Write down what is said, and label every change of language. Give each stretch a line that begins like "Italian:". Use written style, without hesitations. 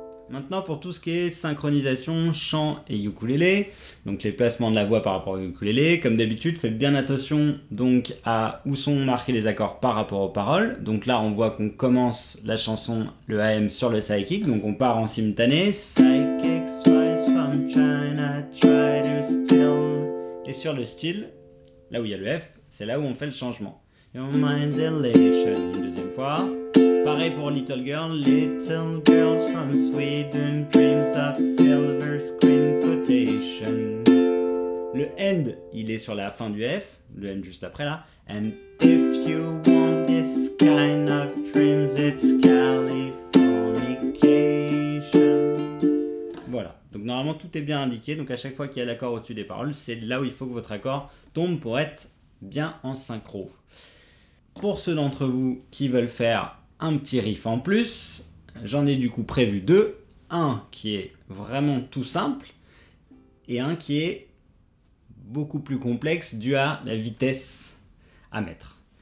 French: Maintenant pour tout ce qui est synchronisation, chant et ukulélé, donc les placements de la voix par rapport au ukulélé, comme d'habitude, faites bien attention donc à où sont marqués les accords par rapport aux paroles. Donc là on voit qu'on commence la chanson, le AM sur le psychic, donc on part en simultané.
English: Psychic spice from China, try to steal.
French: Et sur le style, là où il y a le F, c'est là où on fait le changement.
English: Your mind's elation,
French: une deuxième fois. Pareil pour Little Girl.
English: Little girls from Sweden dreams of silver screen quotation.
French: Le end, il est sur la fin du F, le end juste après là.
English: And if you want this kind of dreams, it's Californication.
French: Voilà, donc normalement tout est bien indiqué, donc à chaque fois qu'il y a l'accord au-dessus des paroles, c'est là où il faut que votre accord tombe pour être bien en synchro. Pour ceux d'entre vous qui veulent faire un petit riff en plus, j'en ai du coup prévu deux. Un qui est vraiment tout simple et un qui est beaucoup plus complexe dû à la vitesse à mettre.